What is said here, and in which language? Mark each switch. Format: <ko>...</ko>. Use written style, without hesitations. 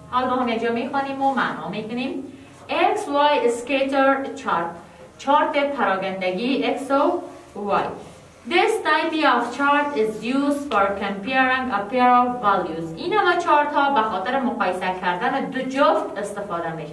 <fa>حالا با هم یک جا میخوانیم و معنا میکنیم.</fa> <en>XY scatter chart.</en> <fa>چارت پراگندگی XY.</fa> <en>This type of chart is used for comparing a pair of values.</en> <fa>این همه چارت ها به خاطر مقایسه کردن دو جفت استفاده میشه.</fa>